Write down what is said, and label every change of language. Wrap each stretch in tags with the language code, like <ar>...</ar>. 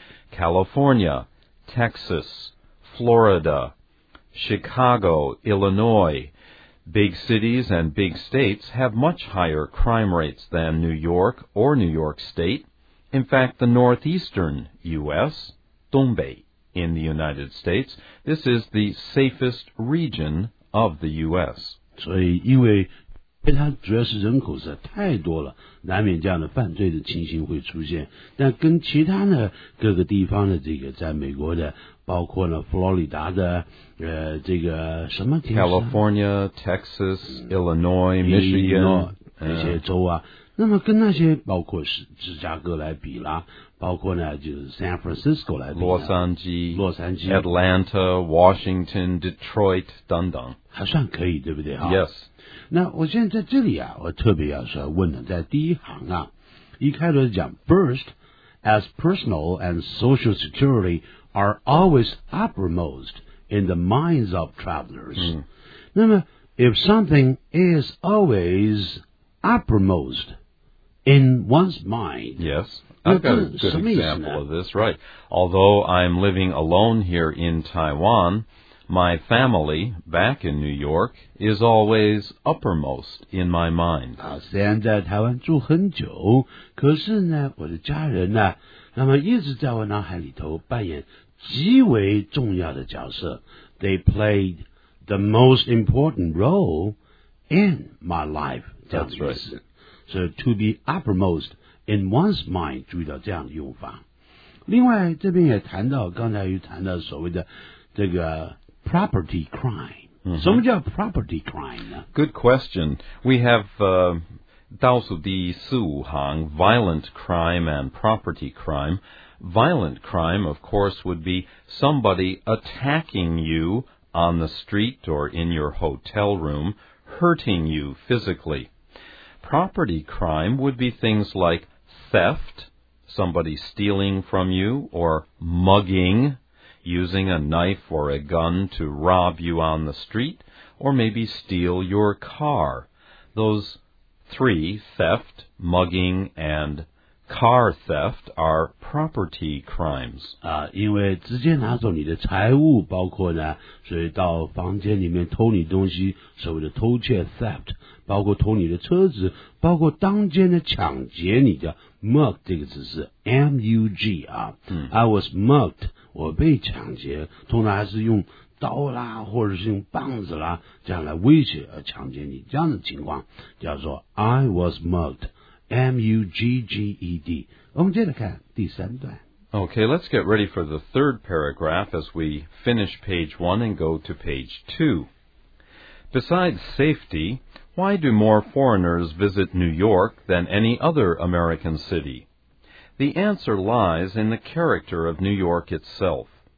<en>California, Texas, Florida, Chicago, Illinois,Big cities and big states have much higher crime rates than New York or New York State. In fact, the northeastern U.S.,</en> <zh>东北,</zh> <en>in the United States, this is the safest region of the U.S.</en> <zh>所以因为它主要是人口是太多了，难免这样的犯罪的情形会出现。但跟其他呢各个地方的这个在美国的包括呢佛罗里达的这个什么</zh> <en>California, Texas, Illinois, Michigan,</en> <zh>这些州啊那么跟那些包括芝加哥来比啦，包括呢就是 San Francisco 来比，洛杉矶</zh> <en>Atlanta Washington Detroit 等等，</en> <zh>还算可以对不对？</zh> <en>Yes。</en> <zh>那我现在在这里啊，我特别要说问的，在第一行啊，一开头讲</zh> <en>First as personal and social security are always uppermost in the minds of travelers、嗯、</en> <zh>那么</zh> <en>if something is alwaysuppermost in one's mind. Yes, I've got a good example of this, right. Although I'm living alone here in Taiwan, my family back in New York is always uppermost in my mind.</en> <zh>啊，虽然在台湾住很久，可是呢，我的家人呢，那么一直在我脑海里头扮演极为重要的角色。</zh> <en>They played the most important role in my life. That's right. So to be uppermost in one's mind,</en> <zh>注意到这样的用法。另外这边也谈到，刚才又谈到所谓的这个 property crime、 mm-hmm. 什么叫 property crime 呢？</zh> <en>Good question. We have</en> <zh>倒数第四五行</zh> <en>violent crime and property crime. Violent crime, of course, would be somebody attacking you on the street or in your hotel room, hurting you physically. Property crime would be things like theft, somebody stealing from you, or mugging, using a knife or a gun to rob you on the street, or maybe steal your car. Those three, theft, mugging, and car theft, are property crimes.</en> <zh>因为直接拿走你的财物，包括呢，所以到房间里面偷你东西，所谓的偷窃 theft,包括偷你的车子，包括当间的抢劫你的 mug 这个字是 M-U-G 啊、嗯、</zh> <en>I was mugged,</en> <zh>我被抢劫，通常还是用刀啦或者是用棒子啦这样来威胁而抢劫你，这样的情况叫做 I was mugged, M-U-G-G-E-D。我们接着看第三段。</zh> <en>Okay, let's get ready for the third paragraph as we finish page one and go to page two. Besides safetyWhy do more foreigners visit New York than any other American city? The answer lies in the character of New York itself.</en>